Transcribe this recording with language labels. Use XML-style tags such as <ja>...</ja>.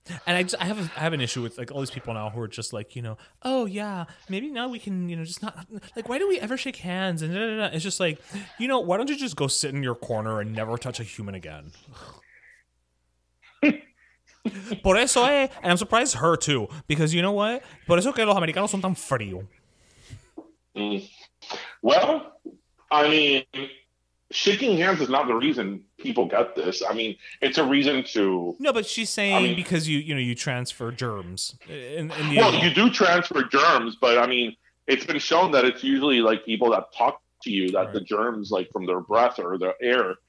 <en>And I have an issue with like all these people now who are just like, you know, oh yeah, maybe now we can, you know, just not like, why do we ever shake hands? And da, da, da. It's just like, you know, why don't you just go sit in your corner and never touch a human again?</en> <es>Por eso,</es> <en>and I'm surprised her too, because you know what?</en> <es>Por eso que los americanos son tan frío.</es> <en>Well, I mean, shaking hands is not the reason people get this. I mean, it's a reason to... No, but she's saying because you transfer germs. You do transfer germs, but I mean, it's been shown that it's usually like people that talk to you that the germs like from their breath or their air, you</en>